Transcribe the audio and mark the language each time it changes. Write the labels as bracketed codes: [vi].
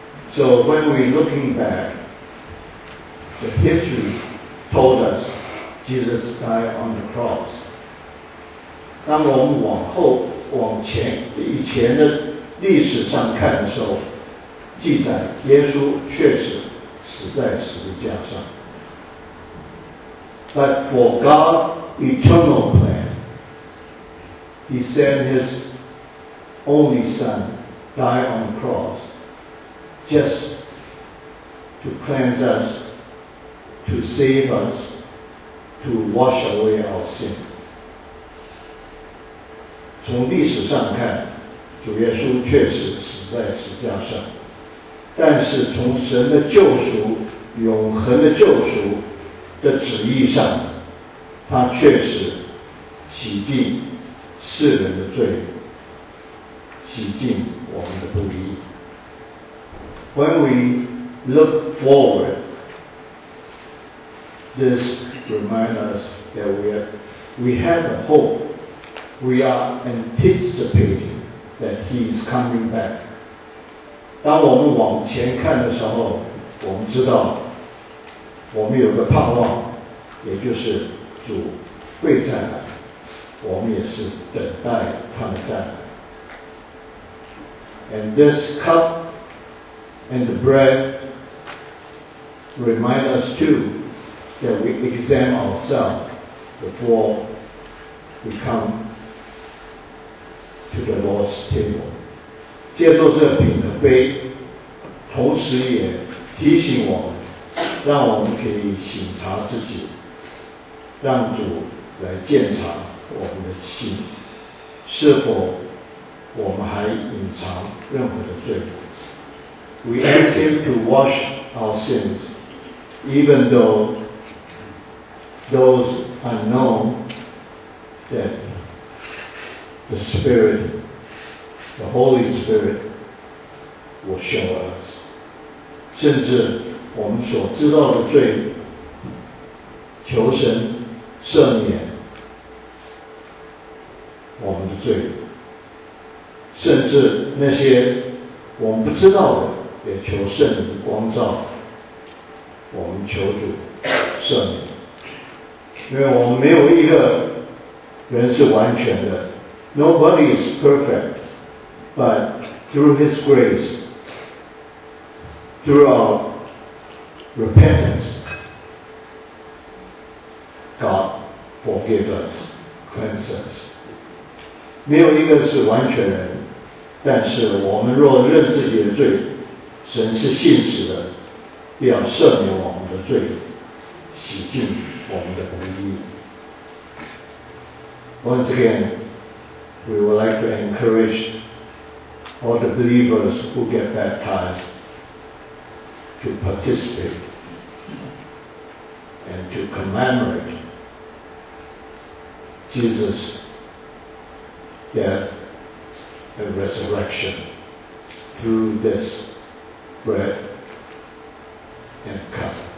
[en] So when we looking back, the history told usJesus died on the cross. [zh] 当我们往后往前以前的历史上看的时候，记载耶稣确实死在十字架上。 [en] but for God's eternal plan. He sent His only Son die on the cross just to cleanse us, to save us, to wash away our sin. [zh] 从历史上看，主耶稣确实死在十字架上，但是从神的救赎、永恒的救赎的旨意上，他确实洗净世人的罪，洗净我们的不义。 [en] When we look forward, this reminds us that we have a hope. We are anticipating that He is coming back. [zh] 当我们往前看的时候，我们知道我们有个盼望，也就是主会再来，我们也是等待他的再来。 [en] And this cup and the bread remind us too that we examine ourselves before we comeTo the Lord's table. [zh] 借助这饼和杯，同时也提醒我们，让我们可以省察自己，让主来鉴察我们的心，是否我们还隐藏任何的罪。 [en] We ask Him to wash our sins, even though those unknown that. The Spirit, the Holy Spirit will show us. [zh] 甚至我们所知道的罪，求神赦免我们的罪，甚至那些我们不知道的，也求圣灵光照，我们求主赦免。因为我们没有一个人是完全的。 [en] Nobody is perfect, but through His grace, through our repentance, God forgives us, cleanses us. [zh] 没有一个是完全人，但是我们若认自己的罪，神是信实的，必要赦免我们的罪，洗净我们的不义。 [en] Once again,We would like to encourage all the believers who get baptized to participate and to commemorate Jesus' death and resurrection through this bread and cup.